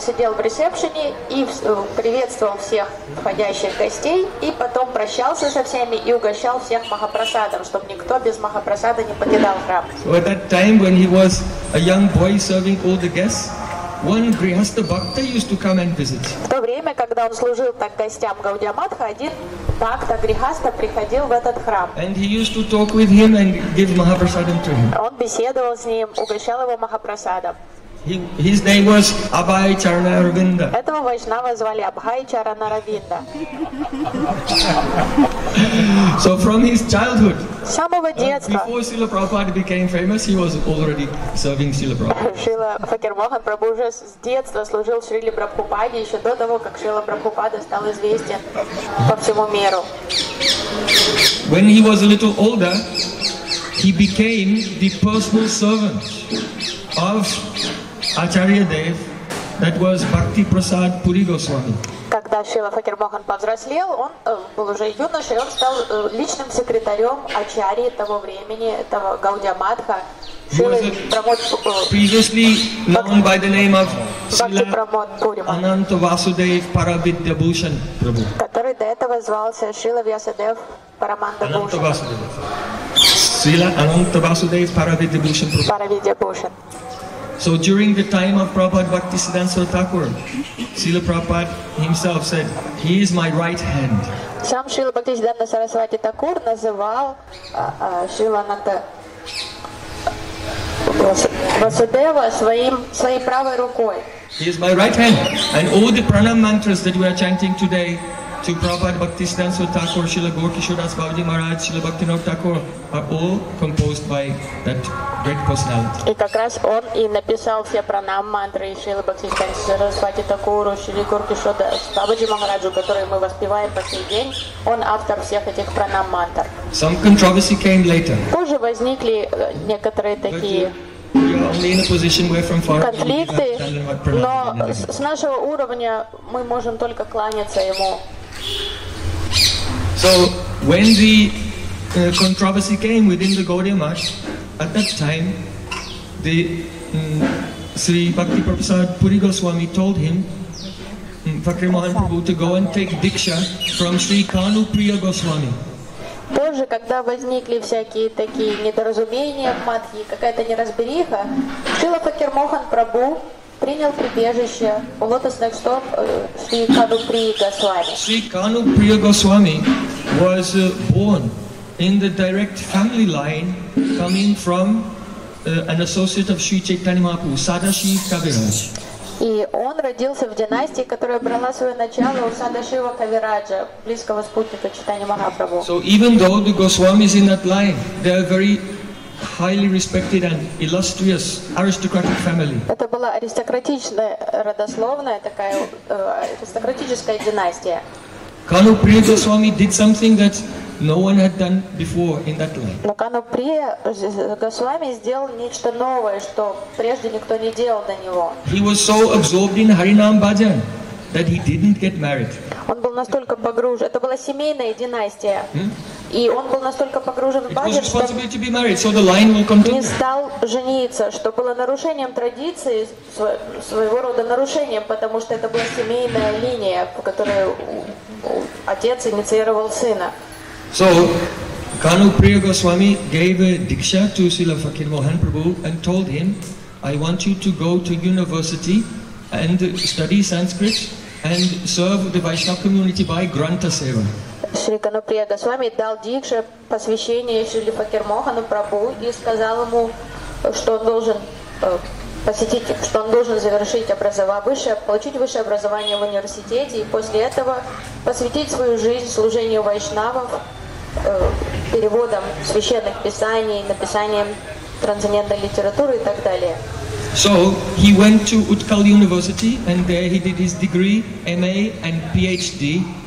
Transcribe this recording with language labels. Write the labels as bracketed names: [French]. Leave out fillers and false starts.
[Russian] Он сидел в ресепшене и приветствовал всех входящих гостей, и потом прощался со всеми и угощал всех махапрасадом, чтобы никто без махапрасада не покидал храм. [English] So at that time, when he was a young boy serving all the guests, one grihastha bhakta used to come and visit. [Russian] В то время, когда он служил так гостям Gaudiya Matha, один бхакта грихастха приходил в этот храм. [English] And he used to talk with him and give mahaprasadam to him. [Russian] Он беседовал с ним, угощал его махапрасадом. [English] His name was Abhay Charanaravinda. [Russian] Этого вайшнава звали Абхай Чаранаравинда. [English] So from his childhood, [Russian] с самого детства, [English] before Srila Prabhupada became famous, he was already serving Srila Prabhupada. [Russian] Шрила Факир Мохан Прабху уже с детства служил Шриле Прабхупаде, еще до того, как Шрила Прабхупада стал известен по всему миру. [English] When he was a little older, he became the personal servant of Acharya Dev, that was Bhakti Prasad Puri Goswami. [Russian] Когда Шрила Факир Мохан повзрослел, он был уже юношей, он стал личным секретарем Ачарьи того времени, этого Гаудия Матха. [English] Previously known by the name of Ananta Vasudev Paramananda Bhushan Prabhu. [Russian] Который до этого звался Шрила Вьясадев Парамананда Бхушан. Srila Ananta Vasudev Paramananda Bhushan Prabhu. [English] Paramananda Bhushan. So during the time of Prabhupada Bhakti Siddhanta Thakur, Srila Prabhupada himself said, he is my right hand. [Russian] Сам Шрила Бхакти Сиддханта Сарасвати Такур называл Шрила Ананта Васудева своей правой рукой. [English] He is my right hand. And all the pranam mantras that we are chanting today to Prabhupada Bhakti Siddhanta Thakur, Srila Gaurakishoras Babaji Maharaj, Srila Bhaktivinoda Thakur are all composed by that great personality. [Russian] И как раз он и написал все пранам мантры Шрилы Бхактисиддханты Сарасвати Такуру, Шрили Гаурикишорас Бабаджи Махараджу, которые мы воспеваем по сей день. Он автор всех этих пранам мантр. [English] Some controversy came later. [Russian] Позже возникли некоторые такие конфликты, но с нашего уровня мы можем только кланяться ему. [English] So when the controversy came within the Gaudiya Math, at that time, the Sri Bhakti Prasad Puri Goswami told him, Fakir Mohan Prabhu, to go and take Diksha from Sri Kanu Priya Goswami. [Russian] Позже, когда возникли всякие такие недоразумения в Матхи, какая-то неразбериха, Шрила Факир Мохан Прабху принял прибежище у лотосных стоп Шри Кану Прия Госвами. [English] Шри Кану Прия Госвами was born in the direct family line coming from an associate of Шри Чайтанья Махапрабху, Садашив Кавираджа. [Russian] И он родился в династии, которая брала свое начало у Садашива Кавираджа, близкого спутника Чайтанья Махапрабху. [English] So even though the Goswamis in that line, they are very highly respected and illustrious aristocratic family. [Russian] Это была аристократичная родословная такая аристократическая династия. [English] Kanu Priya Goswami did something that no one had done before in that line. [Russian] Но Кану Прия Госвами сделал нечто новое, что прежде никто не делал до него. [English] He was so absorbed in Harinam Bhajan that he didn't get married. [Russian] Он был настолько погружен. Это была семейная династия. И он был настолько погружен в Бхаджан, что [English] responsibility to be married, so the line will continue. [Russian] Не стал жениться, что было нарушением традиции, своего рода нарушением, потому что это была семейная линия, по которой отец инициировал сына. [English] So, Kanu Priya Goswami gave a diksha to Srila Fakir Mohan Prabhu and told him, I want you to go to university and study Sanskrit and serve the Vaishnava community by Granta Seva. [Russian] Шри Кану Прия Госвами дал дикше посвящение Шри Факир Мохану Прабху и сказал ему, что он должен посетить, что он должен завершить образование высшее, получить высшее образование в университете и после этого посвятить свою жизнь служению вайшнавов, переводам священных писаний, написанием трансцендентной литературы и так далее. [English] So he went to Utkal University and there he did his degree, MA and PhD.